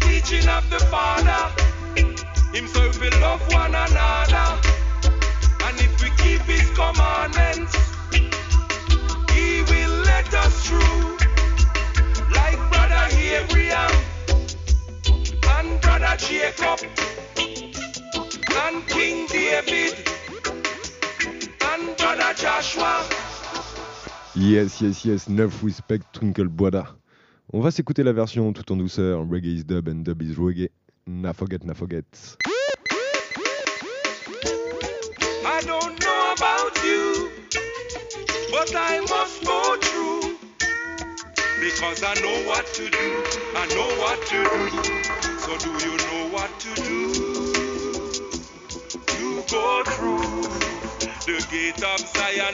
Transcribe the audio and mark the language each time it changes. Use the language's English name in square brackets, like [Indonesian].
[English] Of the Father, himself we love one another, and if we keep his commandments, he will let us through, like Brother Abraham, and Brother Jacob, and King David, and Brother Joshua. Yes, yes, yes, enough respect, Twinkle Brother. [French] On va s'écouter la version tout en douceur. [English] Reggae is dub and dub is reggae. Na forget, na forget. I don't know about you, but I must go through. Because I know what to do, I know what to do. So do you know what to do? To go through the gate of Zion.